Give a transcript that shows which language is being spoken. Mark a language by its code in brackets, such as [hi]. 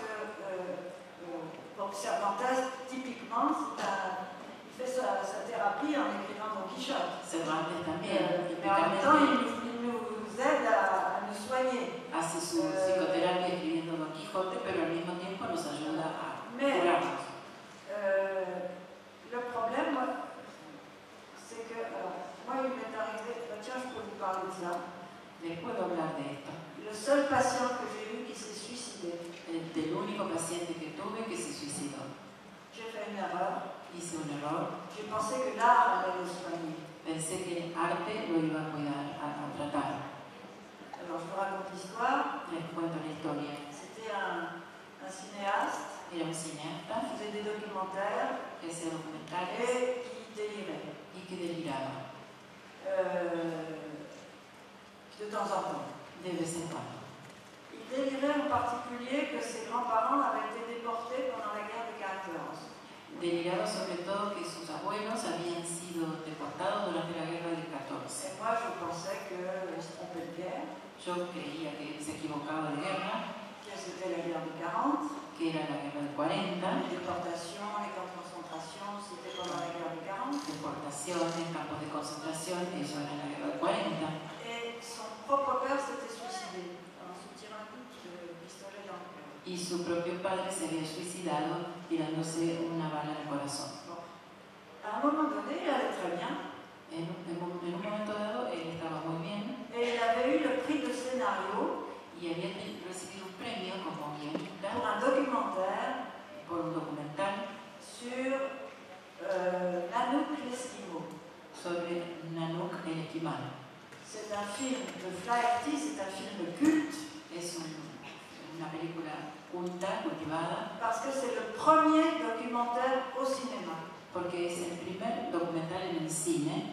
[fr] fantasme, typiquement, il fait sa thérapie en écrivant Don Quichotte. C'est vrai, mais en même temps, il nous aide à nous soigner. [es] Hace su psicoterapia escribiendo Don Quijote, pero al mismo tiempo nos ayuda a curarnos. [fr] Le problème, c'est que moi, il m'est arrivé, tiens, je peux vous parler de ça. [es] Le puedo hablar de esto. [fr] Le seul patient que j'ai eu qui s'est suicidé. [es] El único paciente que tuve que se suicidó. [fr] J'ai fait une erreur. [es] Hice un error. [fr] J'ai pensé que l'art allait le soigner. [es] Pensé que el arte lo iba a cuidar, a tratar. [fr] Alors, je vous raconte l'histoire. [es] Les cuento la historia. [fr] C'était un cinéaste. [es] Era un cineasta. [fr] Qui faisait des documentaires. [es] Que hacía documentales. [fr] Et qui délirait. [es] Y que deliraba. [fr] De temps en temps. [es] De vez en cuando. [fr] Il délirait en particulier que ses grands-parents avaient été déportés pendant la guerre de 14. [es] Deliraba sobre todo que sus abuelos habían sido deportados durante la guerra del 14. [fr] Et moi, je pensais que se trompait de guerre. [es] Yo creía que se equivocaba de guerra. [fr] Que c'était la guerre de 40. [es] Que era la guerra de 40. [fr] Les déportations, les camps de concentration, c'était pendant la guerre de 40. [es] Deportaciones, campos de concentración, eso era la guerra de 40. [fr] Et son propre père s'était suicidé en se tirant un coup de pistolet dans le cœur. [es] Y su propio padre se había suicidado tirándose una bala en el corazón. [fr] À un moment donné, il allait très bien. [es] En un momento dado, él estaba muy bien. [fr] Et il avait eu le prix de scénario. [es] Y había recibido un premio como guionista. [fr] Pour un documentaire. [es] Por un documental. [fr] Sur Nanook l'Esquimau. [es] Sobre Nanook el Esquimal. [fr] C'est un film de Flaherty, c'est un film de culte. [es] Es una película culta, cultivada. [fr] Parce que c'est le premier documentaire au cinéma. [es] Porque es el primer documental en el cine.